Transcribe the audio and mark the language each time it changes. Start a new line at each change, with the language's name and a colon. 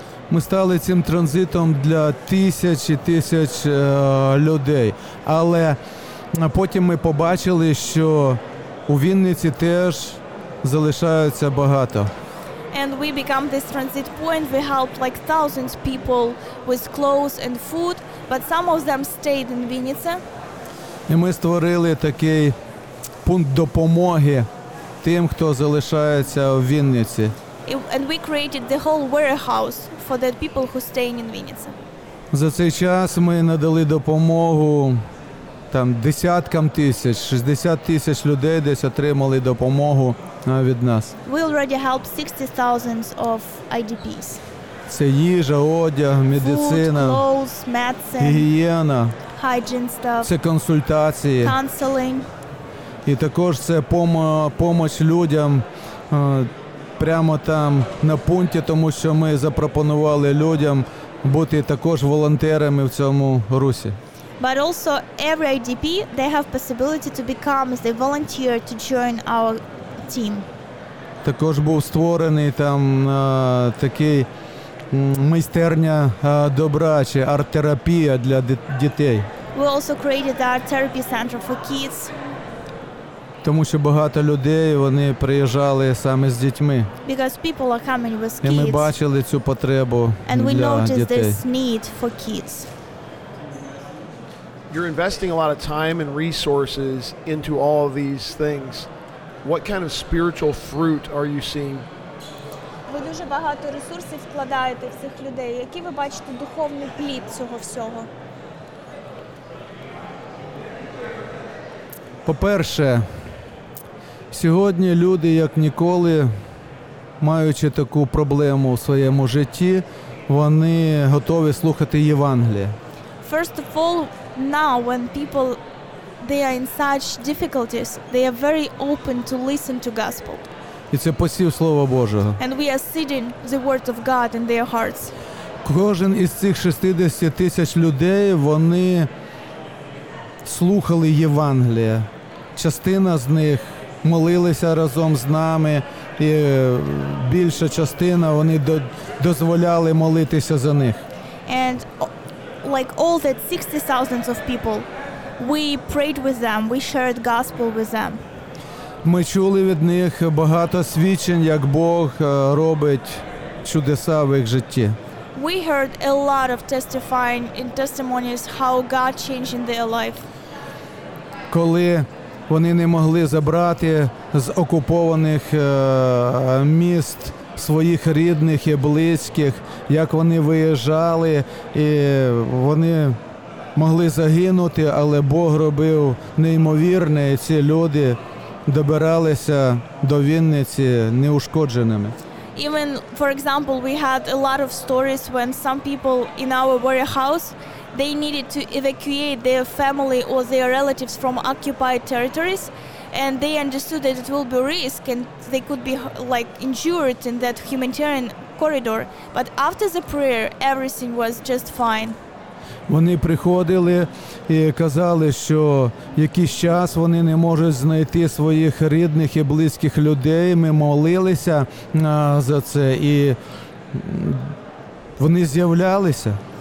Ukrainian: Ми стали цим транзитом для тисяч і тисяч людей. Але потім ми побачили, що у Вінниці теж залишаються багато.
English: And we become this transit point. We helped like thousands of people with clothes and food, but some of them stayed in Vinnytsia.
Ukrainian: І ми створили такий пункт допомоги тим, хто залишається у Вінниці.
English: And we created the whole warehouse for the people who staying in Vinnytsia.
Ukrainian: За цей час ми надали допомогу там десяткам тисяч, 60 тисяч людей десь отримали допомогу від нас.
English: We already helped 60,000 of IDPs.
Ukrainian: Це їжа, одяг, медицина,
English: food, clothes, medicine,
Ukrainian: гігієна,
English: hygiene stuff,
Ukrainian: це консультації,
English: counseling.
Ukrainian: І також це допомога людям прямо там на пункті, тому що ми запропонували людям бути також волонтерами в цьому русі.
English: But also every IDP, they have possibility to become the volunteer to join our team.
Ukrainian: Також був створений там такий майстерня добра чи арт-терапія для дітей.
English: We also created the art therapy center for kids.
Ukrainian: Тому що багато людей, вони приїжджали саме з дітьми.
English: Because people are coming with kids.
Ukrainian: І ми бачили цю потребу для дітей.
English: And we noticed this need for kids. You're investing a lot of time and resources into all of these things. What kind of spiritual fruit are you seeing?
Ukrainian: Ви дуже багато ресурсів вкладаєте в цих людей. Які ви бачите духовний плід цього всього? По-перше, сьогодні люди, як ніколи, маючи таку проблему в своєму житті, вони готові слухати Євангеліє.
English: First of all, now when people they are in such difficulties, they are very open to listen to gospel.
Ukrainian: І це посів Слова Божого.
English: And we are seeding the word of God in their hearts.
Ukrainian: Кожен із цих 60 тисяч людей, вони слухали Євангеліє. Частина з них молилися разом з нами, і більша частина, вони дозволяли молитися за них.
English: And like all that 60,000 of people, we prayed with them, we shared gospel with them.
Ukrainian: Ми чули від них багато свідчень, як Бог робить чудеса в їх житті.
English: We heard a lot of testifying in testimonies how God changed in their life.
Ukrainian: Коли вони не могли забрати з окупованих міст своїх рідних і близьких, як вони виїжджали, і вони могли загинути, але Бог робив неймовірне, і ці люди добиралися до Вінниці неушкодженими.
English: Even, for example, we had a lot of stories when some people in our warehouse, they needed to evacuate their family or their relatives from occupied territories. And they understood that it will be a risk and they could be like injured in that humanitarian corridor, but after the prayer, everything was just fine.
Ukrainian: Вони приходили і казали, що якийсь час вони не можуть знайти своїх рідних і близьких людей. Ми молилися за це, і вони з'являлися.